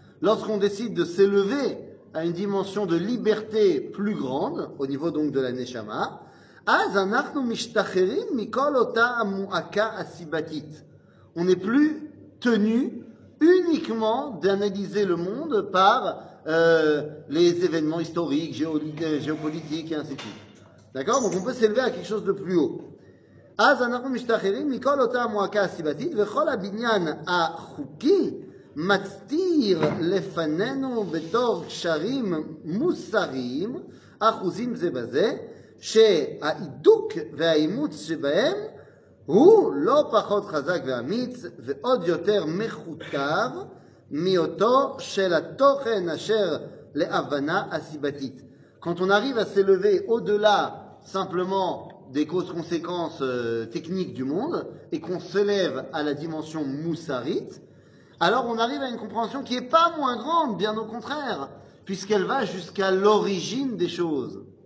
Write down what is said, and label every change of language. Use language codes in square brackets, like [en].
[fr] Lorsqu'on décide de s'élever à une dimension de liberté plus grande, au niveau donc de la neshama, [he] az anachnu mishtacherim mikol ota mu'aka asibatit. [fr] On n'est plus tenu uniquement d'analyser le monde par les événements historiques, géopolitiques et ainsi de suite. D'accord ? Donc on peut s'élever à quelque chose de plus haut. [he] אז אנחנו משתחררים מכל אותה המועקה הסיבתית וכל הבניין החוקי מצטיר לפנינו בתור קשרים מוסריים אחוזים זה בזה שהעידוק והאימוץ שבהם הוא לא פחות חזק ואמיץ ועוד יותר מחותר מאותו של התוכן אשר להבנה הסיבתית. [fr] Quand on arrive à s'élever au-delà simplement des causes-conséquences techniques du monde et qu'on s'élève à la dimension moussarite, alors on arrive à une compréhension qui n'est pas moins grande, bien au contraire, puisqu'elle va jusqu'à l'origine des choses.